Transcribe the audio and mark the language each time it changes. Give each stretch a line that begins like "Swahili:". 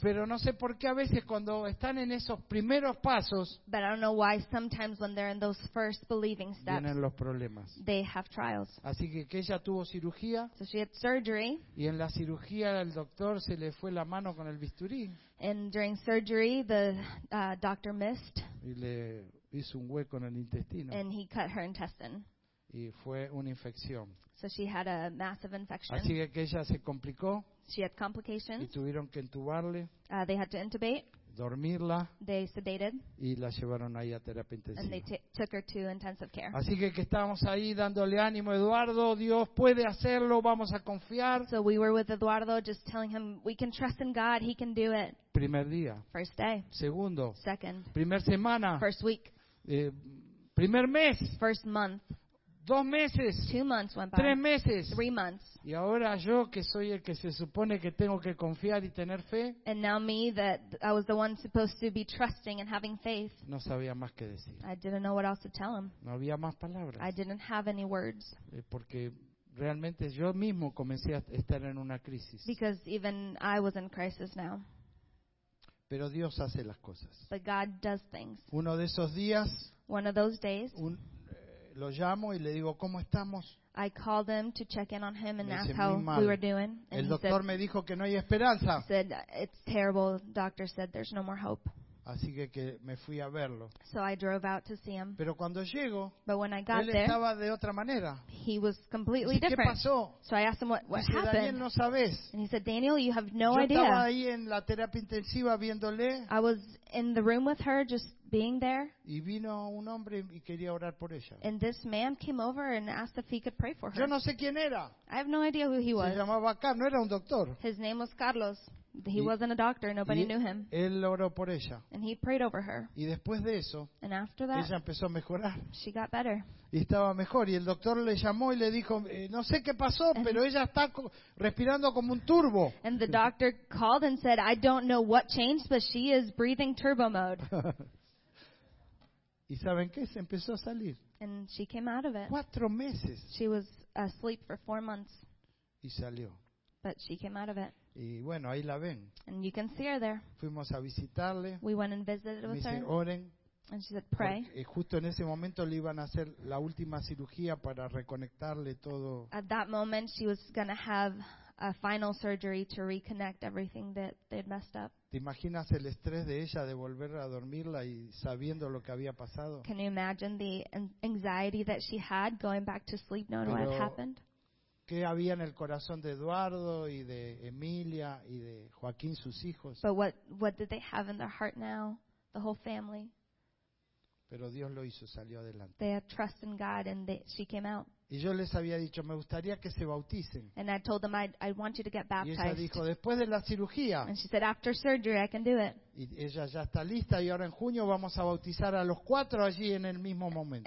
Spanish: Pero no sé por qué a veces cuando están en esos primeros pasos.
English: But I don't know why sometimes when they're in those first believing steps.
Spanish: Vienen los problemas.
English: They have trials.
Spanish: Así que ella tuvo cirugía.
English: So she had surgery.
Spanish: Y en la cirugía el doctor se le fue la mano con el bisturí.
English: And during surgery the doctor missed.
Spanish: Y le hizo un hueco en el intestino.
English: And he cut her intestine.
Spanish: Y fue una infección.
English: So she had a massive infection.
Spanish: Así que ella se complicó.
English: She had complications.
Spanish: Y tuvieron que intubarle.
English: They had to intubate.
Spanish: dormirla.
English: They sedated.
Spanish: Y la llevaron ahí a terapia intensiva.
English: And they took her to intensive care.
Spanish: Así que estábamos ahí dándole ánimo a Eduardo. Dios puede hacerlo. Vamos a confiar.
English: So we were with Eduardo, just telling him, we can trust in God. He can do it.
Spanish: Primer día.
English: First day.
Spanish: Segundo.
English: Second.
Spanish: Primer semana.
English: First week.
Spanish: Primer mes.
English: First month.
Spanish: Dos meses.
English: 2 months went by.
Spanish: 3 meses.
English: 3 months.
Spanish: Y ahora yo, que soy el que se supone que tengo que confiar y tener fe.
English: And now me, that I was the one supposed to be trusting and having faith.
Spanish: No sabía más que decir.
English: I didn't know what else to tell him.
Spanish: No había más palabras.
English: I didn't have any words.
Spanish: Porque realmente yo mismo comencé a estar en una crisis.
English: Because even I was in crisis now.
Spanish: Pero Dios hace las cosas.
English: But God does things.
Spanish: Uno de esos días.
English: One of those days.
Spanish: Lo llamo y le digo, ¿cómo estamos?
English: I called them to check in on him and ask how we were doing.
Spanish: El doctor me dijo que no hay esperanza.
English: He said, it's terrible. The doctor said there's no more hope.
Spanish: Así que me fui a verlo.
English: So I drove out to see him.
Spanish: Pero cuando llego,
English: but when I got there,
Spanish: estaba de otra manera.
English: He was completely different.
Spanish: ¿Qué pasó?
English: So I asked him what happened.
Spanish: Daniel, no sabes.
English: And he said, Daniel, you have no idea.
Spanish: Yo estaba ahí en la terapia intensiva viéndole.
English: I was in the room with her, just being there.
Spanish: Y vino un hombre y quería orar por ella.
English: And this man came over and asked if he could pray for her.
Spanish: Yo no sé quién era.
English: I have no idea who he was.
Spanish: Se llamaba Carlos, no era un doctor.
English: His name was Carlos. He wasn't a doctor. Nobody knew him.
Spanish: Él oró por ella.
English: And he prayed over her.
Spanish: Y después de eso,
English: and after that,
Spanish: ella empezó a mejorar.
English: She got better.
Spanish: Y estaba mejor. Y el doctor le llamó y le dijo, no sé qué pasó, pero ella está respirando como un turbo.
English: And the doctor called and said, I don't know what changed, but she is breathing turbo mode.
Spanish: ¿Y saben qué? Se empezó a salir.
English: And she came out of it.
Spanish: 4 meses.
English: She was asleep for 4 months.
Spanish: Y salió.
English: But she came out of it.
Spanish: Y bueno, ahí la ven.
English: And you can see her there.
Spanish: Fuimos a visitarle.
English: We went and visited with her.
Spanish: Oren.
English: And she said, pray.
Spanish: Y justo en ese momento le iban a hacer la última cirugía para reconectarle todo.
English: At that moment, she was going to have a final surgery to reconnect everything that they'd messed up.
Spanish: ¿Te imaginas el estrés de ella de volver a dormirla y sabiendo lo que había pasado?
English: Can you imagine the anxiety that she had going back to sleep knowing what had happened?
Spanish: ¿Qué había en el corazón de Eduardo y de Emilia y de Joaquín, sus hijos?
English: But what did they have in their heart now, the whole family?
Spanish: Pero Dios lo hizo, salió adelante.
English: They had trust in God and she came out.
Spanish: Y yo les había dicho, me gustaría que se bauticen.
English: And I told them, I want you to get baptized.
Spanish: Y ella dijo, después de la cirugía.
English: And she said, after surgery, I can do it.
Spanish: Y ella ya está lista y ahora en junio vamos a bautizar a los cuatro allí en el mismo momento.